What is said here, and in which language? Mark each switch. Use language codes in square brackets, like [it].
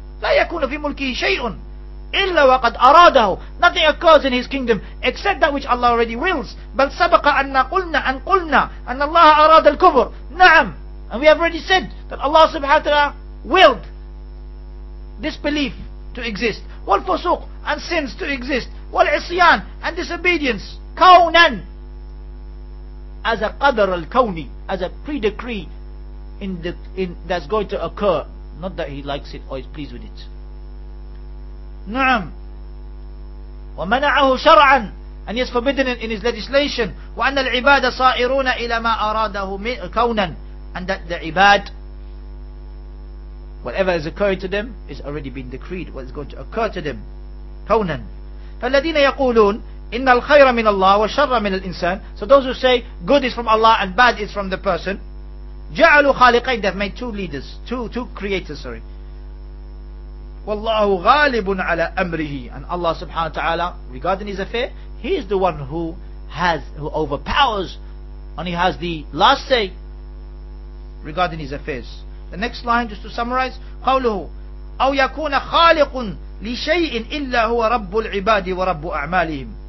[ar] لا يكون في ملكه شيء إلا وقد أراده. [en] Nothing occurs in his kingdom except that which Allah already wills. [ar] بل سبق أن قلنا أن قلنا أن الله أراد الكفر. نعم. [en] And we have already said that Allah subhanahu wa ta'ala willed this belief to exist. [ar] والفسوق [en] and sins to exist. [ar] والعصيان [en] and disobedience. [ar] كونا [en] as a [ar] قدر الكوني, [en] as a pre-decree in that's going to occur. Not that he likes it or is pleased with it. [ar] نعم. ومنعه شرعا [en] and he has forbidden it in his legislation. [ar] وأن العباد صائرون إلى ما أراده كونا. [en] And that the ibad, whatever is occurring to them, is already been decreed. What is going to occur to them, [ar] كونًا. فالذين يقولون إن الخير من الله وشر من الإنسان. [en] So those who say good is from Allah and bad is from the person, [ar] جعلوا خالقين. [en] They have made two leaders, two creators. Sorry. [ar] والله غالب على أمره. [en] And Allah سبحانه وتعالى, regarding his affair, he is the one who overpowers, and he has the last say regarding his affairs. The next line, just to summarize, [ar] قوله أو يكون خالق لشيء إلا هو رب العباد ورب أعمالهم.